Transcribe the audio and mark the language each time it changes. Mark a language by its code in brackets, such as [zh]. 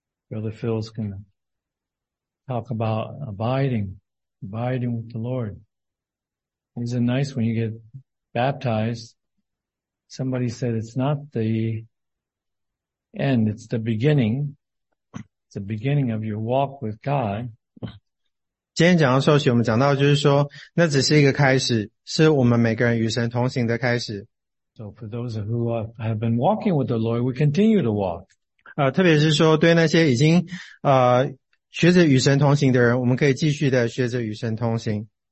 [en] Brother Phil's going to talk about abiding with the Lord. Isn't it nice when you get baptized? Somebody said it's not the end, it's the beginning. It's the beginning of your walk with God. [zh] 今天讲到受洗，我们讲到就是说，那只是一个开始，是我们每个人与神同行的开始。 [en] So for those who have been walking with the Lord, we continue to walk. [zh] 特别是说对那些已经学着与神同行的人，我们可以继续的学着与神同行。